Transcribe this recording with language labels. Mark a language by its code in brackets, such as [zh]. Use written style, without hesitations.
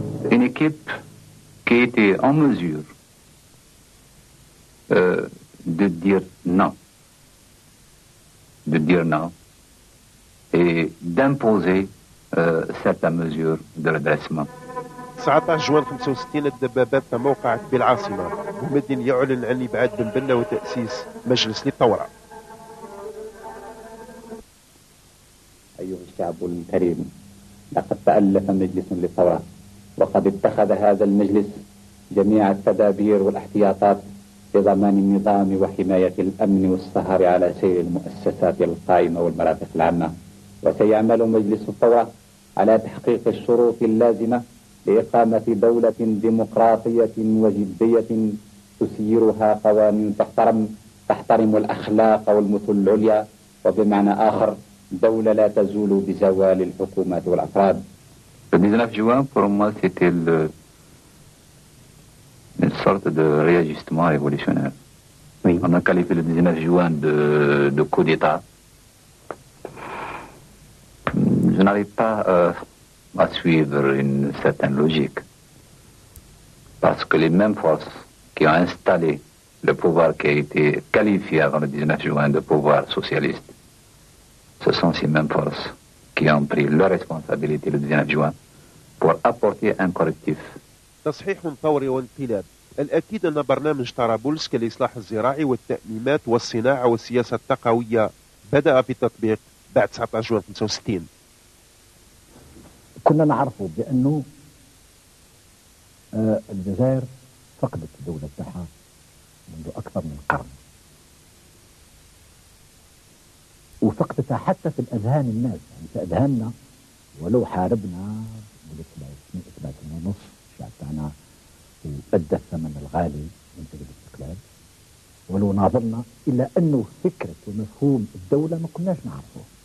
[fr] Une équipe qui était en mesure de dire non et d'imposer certaines mesures de redressement. [ar] 19 جوان 65 الدبابات في موقع بالعاصمة ومدين يعلن عن إبعاد بن بنا وتأسيس مجلس للثورة. أيها الشعب الكريم، لقد تألف مجلس للثورة وقد اتخذ هذا المجلس جميع التدابير والاحتياطات لضمان النظام وحماية الأمن والسهر على سير المؤسسات القائمة والمرافق العامة، وسيعمل مجلس الثورة على تحقيق الشروط اللازمة لإقامة دولة ديمقراطية وجدية تسيرها قوانين تحترم الأخلاق والمثل العليا، وبمعنى آخر دولة لا تزول بزوال الحكومات والأفراد. [fr] 19 juin pour moi c'était une sorte de réajustement révolutionnaire. Oui. On a qualifié le 19 juin de coup d'État. Je n'arrive pas à suivre une certaine logique, parce que les mêmes forces qui ont installé le pouvoir qui a été qualifié avant le 19 juin de pouvoir socialiste, ce sont ces mêmes forces qui ont pris leur responsabilité le 19 juin pour apporter un correctif. [ar] تصحيح ثوري وانقلاب. الأكيد أن برنامج طرابلس كالإصلاح الزراعي والتأميمات والصناعة والسياسة التقوية بدأ في التطبيق بعد 19 جوان 65. كنا نعرف بأنه الجزائر فقدت الدولة بتاعها منذ أكثر من قرن، وفقدتها حتى في الأذهان الناس، يعني في أذهاننا، ولو حاربنا ب3.5 شعبتنا وأدى الثمن الغالي من تجربة الاستقلال، ولو ناظرنا إلا أنه فكرة ومفهوم الدولة ما كناش نعرفه.